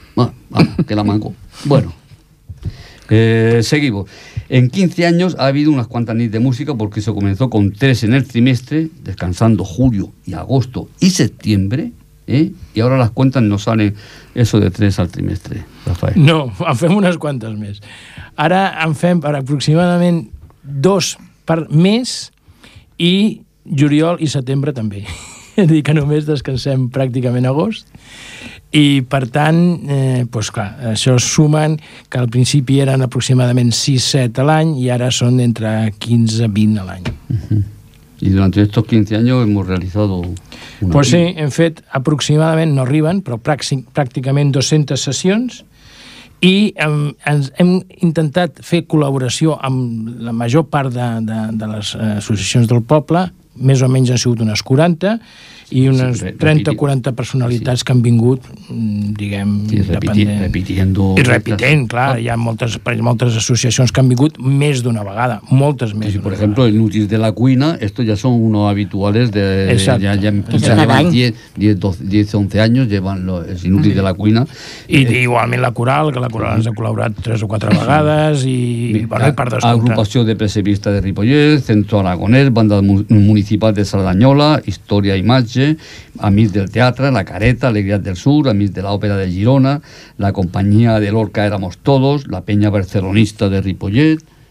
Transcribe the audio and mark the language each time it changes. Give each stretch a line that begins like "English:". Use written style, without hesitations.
Spanish: Vamos, que la mangó. Bueno, seguimos. En 15 años ha habido unas cuantas nits de música, porque se comenzó con 3 en el trimestre, descansando julio y agosto y septiembre, ¿eh? Y ahora las cuentas no salen eso de 3 al trimestre, Rafael.
Catalan: No, en fem unes quantes més. Ara en fem per aproximadament 2 per mes i juliol i setembre també. És a dir, que només descansem pràcticament agost. I, per tant, doncs clar, això sumen que al principi eren aproximadament 6-7 a l'any i ara són entre 15-20 a l'any. Uh-huh. I durant aquests 15 anys hem realitzat... Pues sí, hem fet aproximadament, no arriben, però pràcticament 200 sessions, i hem intentat fer col·laboració amb la major part de les associacions del poble. Més o menys han sigut unes 40, i unes 30-40 personalitats que han vingut, diguem,
Spanish: repitiendo,
Catalan: clar, hi ha moltes associacions que han vingut més d'una vegada, moltes més.
Spanish: Sí,
Catalan: per exemple,
Spanish: el Nutis de la Cuina, estos ya son unos habituales de ya ya 10-11 años llevan los Nutis de la Cuina,
Catalan: i igualment la coral ens ha col·laborat 3-4 vegades, i bueno, i part d'escolta. Agrupació de Presevista de Ripollès, Centro Aragonès, Banda Municipal de Cerdanyola, Història i Imatge, Amics del Teatre, La Careta, Alegria del Sur, Amics de l'Òpera de Girona, La Companyia de l'Orca Éramos Todos, La Penya Barcelonista de Ripollet,